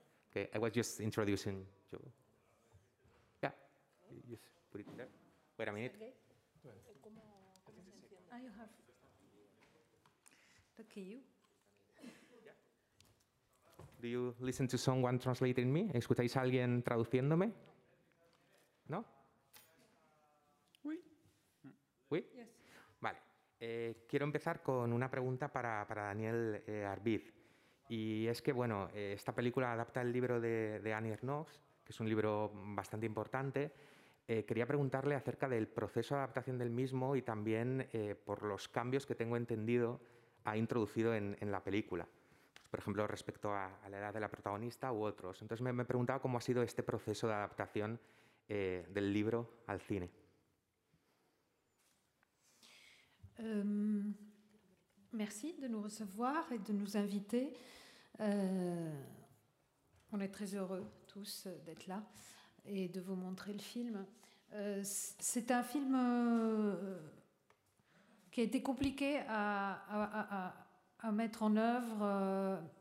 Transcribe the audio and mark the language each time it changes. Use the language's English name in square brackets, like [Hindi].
[English] Okay, I was just introducing you. Yeah. You just put it there. Wait a minute. Okay. You have. Look at you. Do you listen to someone translating me? [Spanish] ¿Escucháis a alguien traduciéndome? ¿No? [French] Oui. Oui? [English] Yes. [Spanish] Vale. Quiero empezar con una pregunta para Daniel Arbir. Y es que, bueno, esta película adapta el libro de Annie Ernaux, que es un libro bastante importante. Quería preguntarle acerca del proceso de adaptación del mismo y también por los cambios que tengo entendido ha introducido en la película. Por ejemplo, respecto a la edad de la protagonista u otros. Entonces, me preguntaba cómo ha sido este proceso de adaptación del libro al cine. [French] Merci de nous recevoir et de nous inviter. On est très heureux tous d'être là et de vous montrer le film. C'est un film qui a été compliqué à mettre en œuvre.